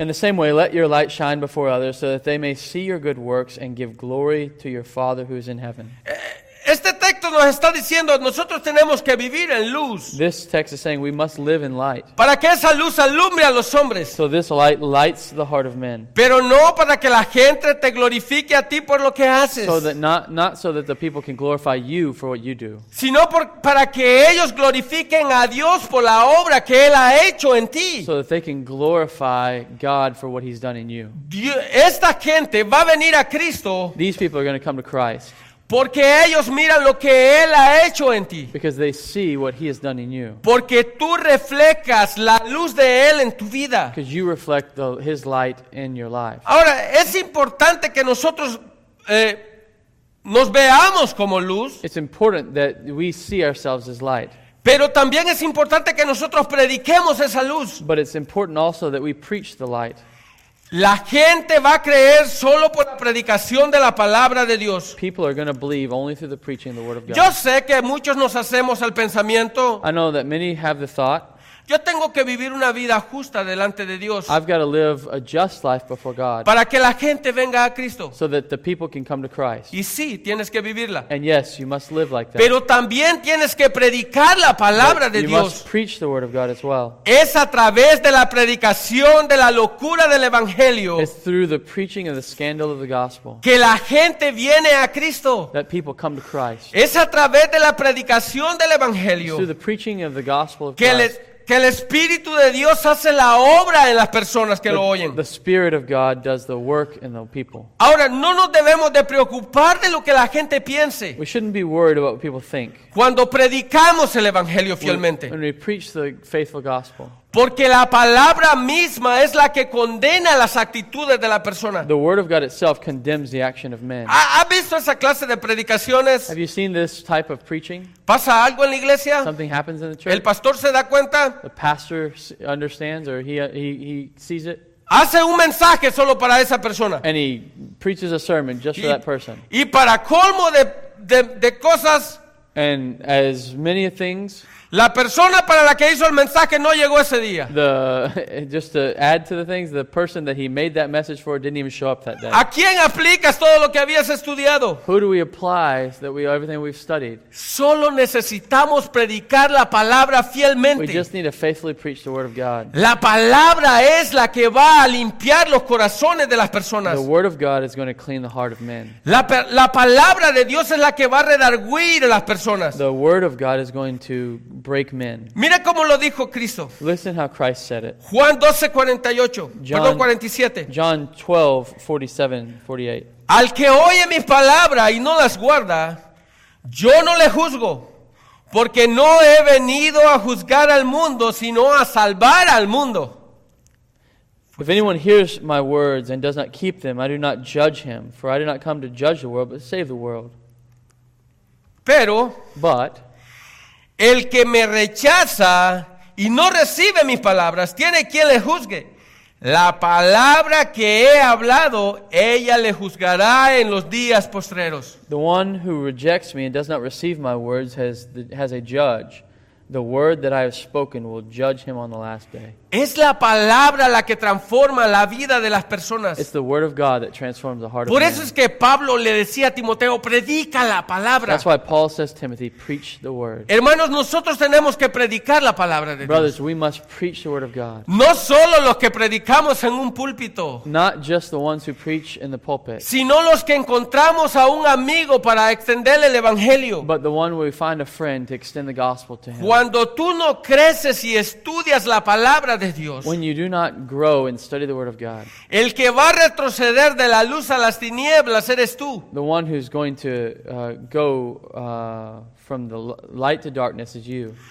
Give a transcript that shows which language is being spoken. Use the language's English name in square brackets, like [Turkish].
[English] In the same way, let your light shine before others so that they may see your good works and give glory to your Father who is in heaven. [Spanish] Este texto nos está diciendo nosotros tenemos que vivir en luz. [English] This text is saying we must live in light. [Spanish] Para que esa luz alumbre a los hombres. [English] So this light lights the heart of men. [Spanish] Pero no para que la gente te glorifique a ti por lo que haces. [English] So that not so that the people can glorify you for what you do. [Spanish] Sino para que ellos glorifiquen a Dios por la obra que él ha hecho en ti. [English] So that they can glorify God for what he's done in you. [Spanish] Esta gente va a venir a Cristo. [English] These people are going to come to Christ. [Spanish] Porque ellos miran lo que él ha hecho en ti. [English] Because they see what he has done in you. [Spanish] Porque tú reflejas la luz de él en tu vida. [English] Because you reflect his light in your life. [Spanish] Ahora, es importante que nosotros nos veamos como luz. [English] It's important that we see ourselves as light. [Spanish] Pero también es importante que nosotros prediquemos esa luz. [English] But it's important also that we preach the light. [Spanish] La gente va a creer solo por la predicación de la palabra de Dios. [English] People are going to believe only through the preaching of the word of God. [Spanish] Yo sé que muchos nos hacemos el pensamiento. [English] I know that many have the thought. [Spanish] Yo tengo que vivir una vida justa delante de Dios. [English] I've got to live a just life before God. [Spanish] Para que la gente venga a Cristo. [English] So that the people can come to Christ. [Spanish] Y sí, tienes que vivirla. [English] And yes, you must live like that. [Spanish] Pero también tienes que predicar la palabra de Dios. [English] You must preach the word of God as well. [Spanish] Es a través de la predicación de la locura del evangelio. [English] It's through the preaching of the scandal of the gospel. [Spanish] Que la gente viene a Cristo. [English] That people come to Christ. [Spanish] Es a través de la predicación del evangelio. [English] It's through the preaching of the gospel of Christ. [Spanish] Que el Espíritu de Dios hace la obra en las personas que lo oyen. [English] The Spirit of God does the work in the people. [Spanish] Ahora, no nos debemos de preocupar de lo que la gente piense. [English] We shouldn't be worried about what people think. [Spanish] Cuando predicamos el Evangelio fielmente. [English] When we preach the faithful gospel. [Spanish] Porque la palabra misma es la que condena las actitudes de la persona. [English] The word of God itself condemns the action of men. [Spanish] ¿Ha visto esa clase de predicaciones? [English] Have you seen this type of preaching? [Spanish] ¿Pasa algo en la iglesia? [English] Something happens in the church. [Spanish] ¿El pastor se da cuenta? [English] The pastor understands or he sees it. [Spanish] Hace un mensaje solo para esa persona. [English] And he preaches a sermon just for that person. [Spanish] Y para colmo de cosas. [English] And as many things. [Spanish] La persona para la que hizo el mensaje no llegó ese día. [English] Just to add to the things, the person that he made that message for didn't even show up that day. [Spanish] ¿A quién aplicas todo lo que habías estudiado? [English] Who do we apply everything we've studied? [Spanish] Solo necesitamos predicar la palabra fielmente. [English] We just need to faithfully preach the word of God. [Spanish] La palabra es la que va a limpiar los corazones de las personas. [English] The word of God is going to clean the heart of men. [Spanish] La palabra de Dios es la que va a redarguir a las personas. [English] The word of God is going to break men. [Spanish] Mira cómo lo dijo Cristo. [English] Listen how Christ said it. [Spanish] Juan 12:47. [English] John 12:47-48. [Spanish] Al que oye mi palabra y no las guarda, yo no le juzgo, Porque no he venido a juzgar al mundo, sino a salvar al mundo. [English] If anyone hears my words and does not keep them, I do not judge him, for I did not come to judge the world, but save the world. [Spanish] Pero, [English] but, [Spanish] el que me rechaza y no recibe mis palabras, tiene quien le juzgue. La palabra que he hablado, ella le juzgará en los días postreros. [English] The one who rejects me and does not receive my words has a judge. The word that I have spoken will judge him on the last day. [Spanish] Es la palabra la que transforma la vida de las personas. [English] It's the word of God that transforms the heart of man. [Spanish] Por eso es que Pablo le decía a Timoteo, predica la palabra. [English] That's why Paul says to Timothy, preach the word. [Spanish] Hermanos, nosotros tenemos que predicar la palabra de Dios. [English] Brothers, we must preach the word of God. [Spanish] No solo los que predicamos en un púlpito. [English] Not just the ones who preach in the pulpit. [Spanish] Sino los que encontramos a un amigo para extenderle el evangelio. [English] But the one where we find a friend to extend the gospel to him. [Spanish] Cuando tú no creces y estudias la palabra de Dios, [English] when you do not grow and study the word of God, [Spanish] el que va a retroceder de la luz a las tinieblas eres tú. [English] The one who's going to go from the light to darkness is you.